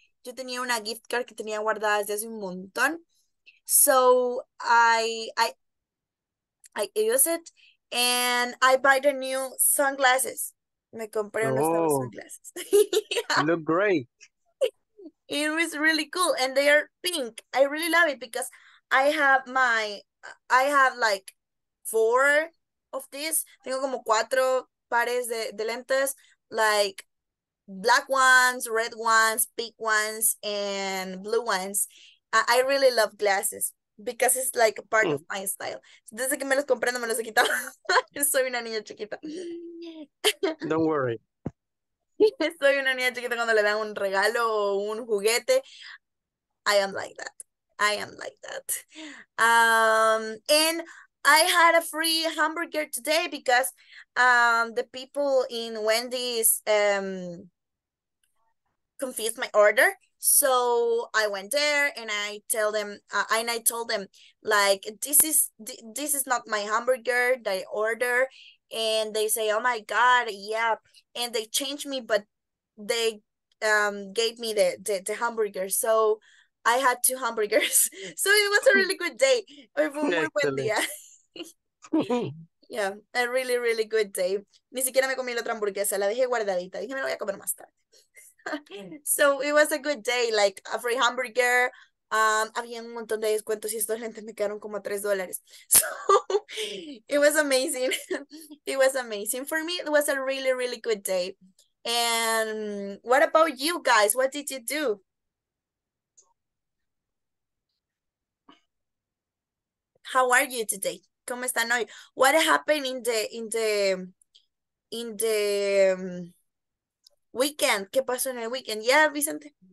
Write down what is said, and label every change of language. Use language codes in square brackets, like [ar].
[es] Yo tenía una gift card que tenía guardada desde hace un montón. [en] So I use it, and I buy the new sunglasses. [es] Me compré unos nuevos Oh, [en] sunglasses. Yeah, look great. it was really cool, and they are pink. I really love it because I have like four of these. [es] Tengo como cuatro pares de lentes, [en] like black ones, red ones, pink ones, and blue ones. I really love glasses because it's like a part of my style. [es] Desde que me los compré, no me los he quitado. Soy una niña chiquita. Soy [en] Don't worry. [es] una niña chiquita cuando le dan un regalo o un juguete. [en] I am like that. I am like that. And I had a free hamburger today because the people in Wendy's confused my order. So I went there and I tell them and I told them like this is not my hamburger that I order, and they say, oh my god, yeah, and they changed me, but they gave me the hamburger, so I had two hamburgers. So it was a really good day. Excellent. Yeah. Yeah, a really, really good day. [es] Ni siquiera me comí la otra hamburguesa, la dejé guardadita, dije me la voy a comer más tarde. [en] So it was a good day, like a free hamburger. [es] Había un montón de descuentos y estos lentes me quedaron como a $3. [en] So it was amazing. It was amazing for me. It was a really, really good day. And what about you guys? What did you do? How are you today? [es] ¿Cómo están hoy? [en] What happened in the weekend? [es] ¿Qué pasó en el weekend? [en] Yeah, Vicente.